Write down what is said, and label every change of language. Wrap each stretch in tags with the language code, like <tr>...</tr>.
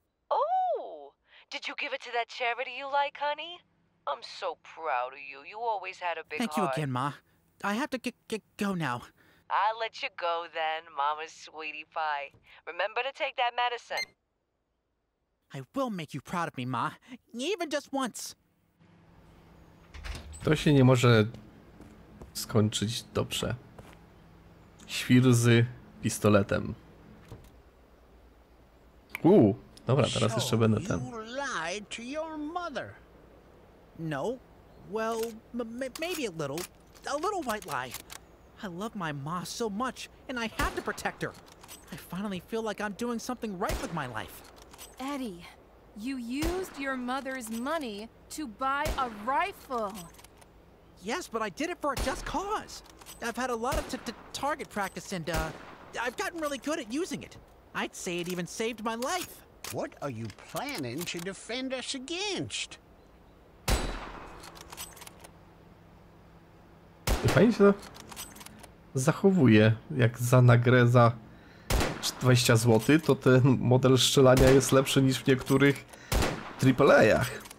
<en>Oh, did you give it to that charity you like, honey? I'm so proud of you. You always had a big heart. Thank you again, Ma. I have to go now. I'll let you go then, Mama's sweetie pie. Remember to take that medicine. I will make you proud of me, Ma. Even just once.</en> <pl>To się nie może skończyć dobrze. Świr z pistoletem. Dobra, teraz jeszcze będę ten.</pl> <en>You lied to your mother. No. Well, maybe a little. A little white lie. I love my Ma so much, and I have to protect her. I finally feel like I'm doing something right with my life. Eddie, you used your mother's money to buy a rifle. Yes, but I did it for a just cause. I've had a lot of target practice, and I've gotten really good at using it. I'd say it even saved my life. What are you planning to defend us against?</en> <pl>Fajnie się to zachowuje, jak za nagrę za 20 zł, to ten model strzelania jest lepszy niż w niektórych AAA-ach.</pl>